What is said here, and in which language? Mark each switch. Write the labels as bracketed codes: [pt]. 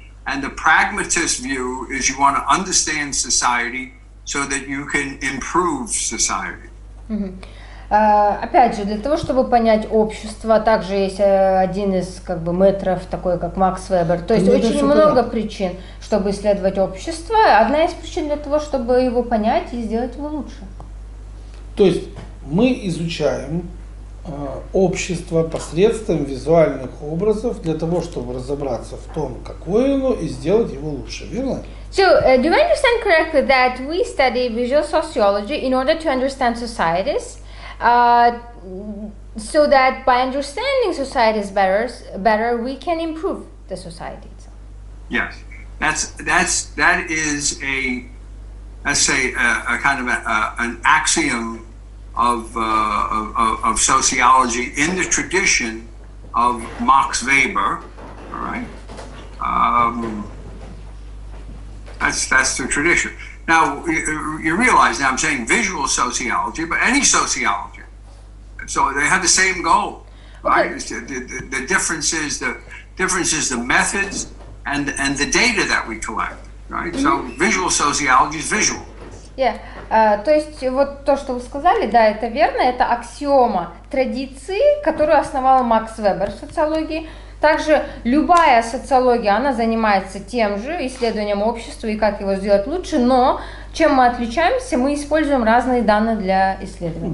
[en] And the pragmatist view is you want to understand society so that you can improve society. [ru] Опять же, для того, чтобы понять общество, также есть один из метров, такой как Макс Вебер. То есть очень много причин, чтобы исследовать общество. Одна из причин для того, чтобы его понять и сделать его лучше. То есть мы изучаем общество посредством визуальных образов для того, чтобы разобраться в том, какое оно, и сделать его лучше, верно? [en] So, do you understand correctly that we study visual sociology in order to understand societies, so that by understanding societies better, we can improve the society itself? Yes, that is an axiom of sociology in the tradition of Max Weber, all right? That's the tradition. Now, you realize now I'm saying visual sociology, but any sociology. So they have the same goal, right? Okay. The difference is the methods and the data that we collect, right? Mm-hmm. So visual sociology is visual. Yeah. [ru] То есть вот то, что вы сказали, да, это верно, это аксиома традиции, которую основал Макс Вебер в социологии. Также любая социология, она занимается тем же исследованием общества и как его сделать лучше, но чем мы отличаемся, мы используем разные данные для исследования.